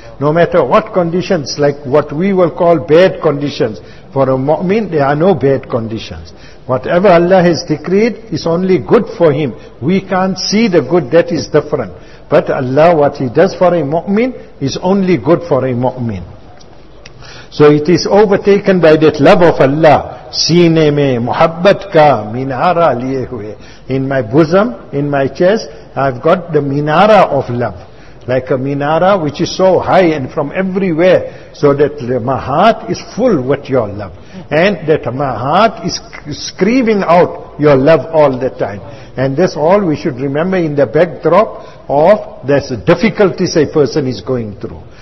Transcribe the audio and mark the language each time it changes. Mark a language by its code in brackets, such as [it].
[en] No matter what conditions, like what we will call bad conditions, for a mu'min there are no bad conditions. Whatever Allah has decreed is only good for him. We can't see the good, that is different. But Allah, what he does for a mu'min is only good for a mu'min. So it is overtaken by that love of Allah. [ur] سینے میں محبت کا مینارہ لیے ہوئے. [en] In my bosom, in my chest, I've got the minara of love. Like a minara which is so high and from everywhere. So that my heart is full with your love. And that my heart is screaming out your love all the time. And this all we should remember in the backdrop of the difficulties a person is going through.